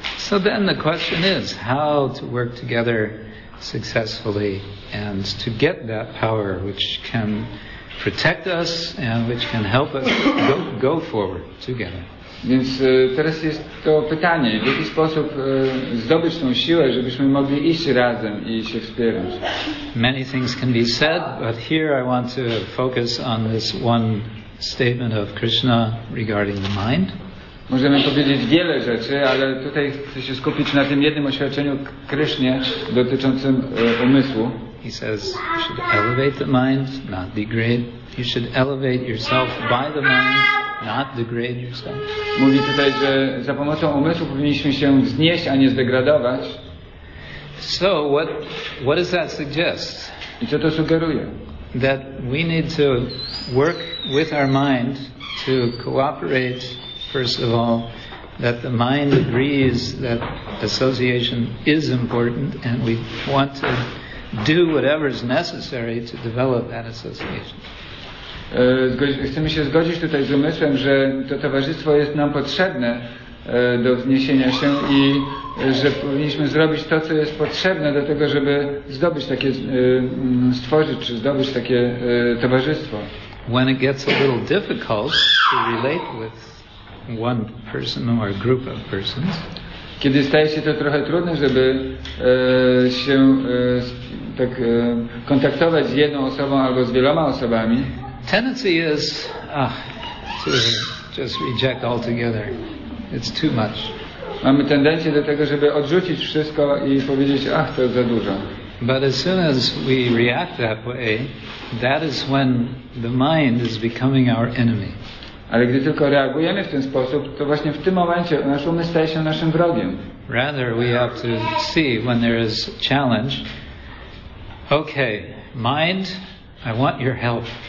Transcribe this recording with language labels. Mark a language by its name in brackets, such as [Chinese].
[English] So then the question is how to work together successfully and to get that power which can protect us and which can help us go forward together. [Polish] Więc teraz jest to pytanie, w jaki sposób zdobyć tą siłę, żebyśmy mogli iść razem i się wspierać. [English] Many things can be said, but here I want to focus on this one statement of Krishna regarding the mind. [Polish] Możemy powiedzieć wiele rzeczy, ale tutaj chcę się skupić na tym jednym oświadczeniu Krysznie dotyczącym umysłu. [English] He says, you should elevate the mind, not degrade. You should elevate yourself by the mind, not degrade yourself. [Polish] Mówi tutaj, że za pomocą umysłu powinniśmy się wznieść, a nie zdegradować. [English] So, what does that suggest? [Polish] I co to sugeruje? [English] that we need to work with our mind to cooperate, first of all, that the mind agrees that association is important and we want to do whatever is necessary to develop that association. [Polish] Chcemy się zgodzić tutaj z umysłem, że to towarzystwo jest nam potrzebne do wzniesienia się i że powinniśmy zrobić to, co jest potrzebne do tego, żeby zdobyć takie, stworzyć czy zdobyć takie towarzystwo. [English] When it gets a little difficult to relate with one person or a group of persons. [Polish] Kiedy staje się to trochę trudne, żeby się tak kontaktować z jedną osobą albo z wieloma osobami. [English] Tendency is to just reject altogether. It's too much. [Polish] Mamy tendencję do tego, żeby odrzucić wszystko i powiedzieć, ach, to jest za dużo. [English] But as soon as we react that way, that is when the mind is becoming our enemy. [Polish] Ale gdy tylko reagujemy w ten sposób, to właśnie w tym momencie nasz umysł staje się naszym wrogiem. [English] Rather we have to see when there is challenge. Okay, mind, I want your help.